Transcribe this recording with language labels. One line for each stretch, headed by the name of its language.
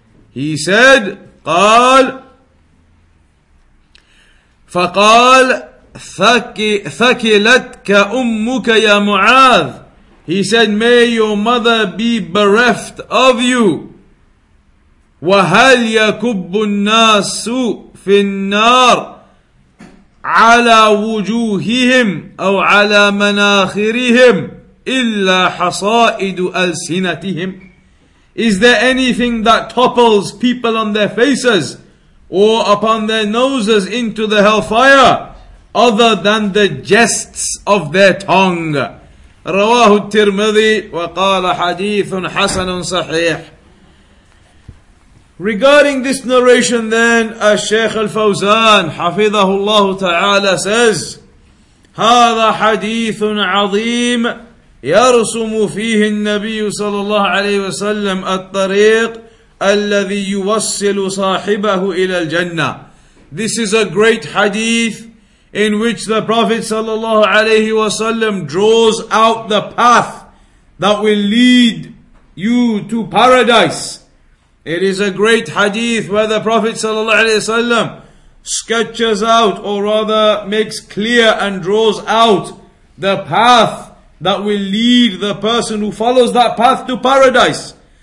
English: He said,
Arabic: قال فقال ثكلتك أمك يا معاذ.
English: He said, may your mother be bereft of you.
Arabic: وهل يكب الناس في النار على وجوههم أو على مناخرهم إلا حصائد ألسنتهم.
English: Is there anything that topples people on their faces or upon their noses into the hellfire other than the jests of their tongue?
Arabic: رواه الترمذي وقال حديث حسن صحيح.
English: Regarding this narration then,
Arabic: الشيخ الفوزان حفظه الله تعالى
English: says,
Arabic: هذا حديث عظيم يرسم فيه النبي صلى الله عليه وسلم الطريق الذي يوصل صاحبه إلى الجنة.
English: This is a great hadith in which the Prophet sallallahu alayhi wasallam draws out the path that will lead you to paradise. It is a great hadith where the Prophet sallallahu alayhi wasallam sketches out, or rather makes clear and draws out, the path that will lead the person who follows that path to paradise.